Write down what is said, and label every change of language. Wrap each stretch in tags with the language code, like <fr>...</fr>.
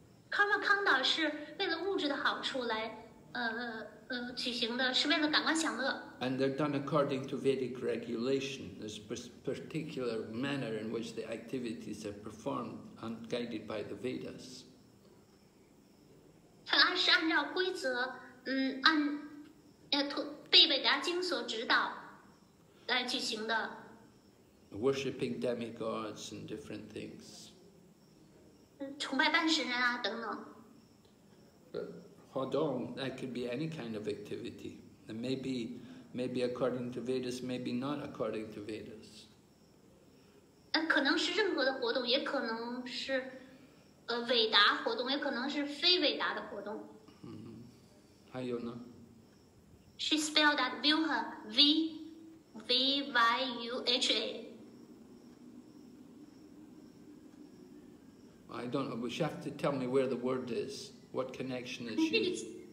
<zh>Karma kanda 是为了物质的好处来举行的，是为了感官享乐。</zh> <en>And they're done according to Vedic regulation, this particular manner in which the activities are performed and guided by the Vedas.</en> <zh>它是按照规则，按贝贝达经所指导来举行的。</zh> <en>Worshipping demigods and different things.</en> <zh>崇拜半神人啊，等等。</zh> <en>Hodong, that could be any kind of activity. And maybe according to Vedas, maybe not according to Vedas.</en> <zh>可能是任何的活动，也可能是伟达活动，也可能是非伟达的活动。 Mm-hmm. 还有呢？</zh> <en>She spelled that Vyuha, V-Y-U-H-A. I don't know, but you have to tell me where the word is. What connection is she?</en>